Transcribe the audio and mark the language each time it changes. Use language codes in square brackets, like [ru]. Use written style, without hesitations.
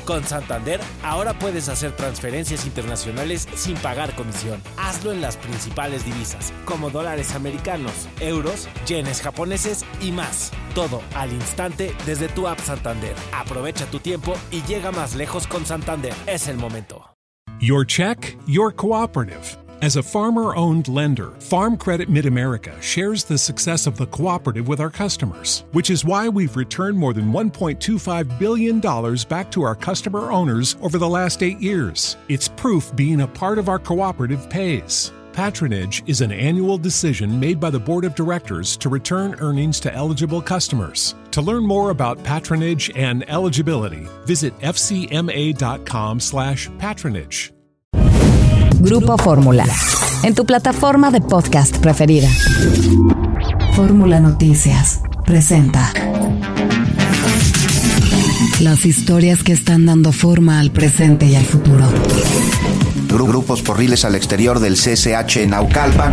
[es] Con Santander, ahora puedes hacer transferencias internacionales sin pagar comisión. Hazlo en las principales divisas, como dólares americanos, euros, yenes japoneses y más. Todo al instante desde tu app Santander. Aprovecha tu tiempo y llega más lejos con Santander. Es el momento. [en] Your check, your cooperative. As a farmer-owned lender, Farm Credit Mid-America shares the success of the cooperative with our customers, which is why we've returned more than $1.25 billion back to our customer owners over the last 8 years. It's proof being a part of our cooperative pays. Patronage is an annual decision made by the board of directors to return earnings to eligible customers. To learn more about patronage and eligibility, visit fcma.com/patronage. [es] Grupo Fórmula, en tu plataforma de podcast preferida. Fórmula Noticias presenta las historias que están dando forma al presente y al futuro. Grupos porriles al exterior del CCH en Naucalpan.